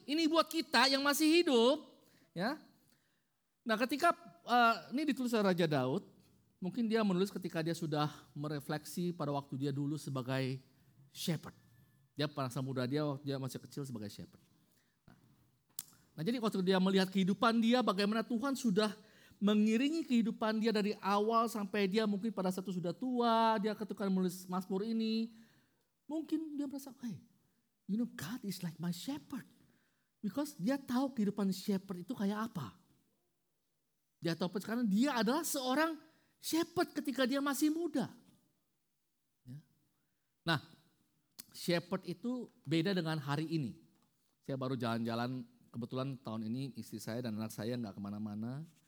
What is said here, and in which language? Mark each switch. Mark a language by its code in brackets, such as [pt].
[id] Ini buat kita yang masih hidup, ya. Nah, ketika ini ditulis oleh Raja Daud, mungkin dia menulis ketika dia sudah merefleksi pada waktu dia dulu sebagai shepherd. Dia masa muda dia waktu dia masih kecil sebagai shepherd. Nah, jadi waktu dia melihat kehidupan dia bagaimana Tuhan sudah mengiringi kehidupan dia dari awal sampai dia mungkin pada satu sudah tua, dia ketukan menulis Mazmur ini. Mungkin dia merasa, [en] hey, you know God is like my shepherd. [id] Because dia tahu kehidupan shepherd itu kayak apa. Dia tahu karena dia adalah seorang shepherd ketika dia masih muda. Nah, shepherd itu beda dengan hari ini. Saya baru jalan-jalan, kebetulan tahun ini istri saya dan anak saya gak kemana-mana.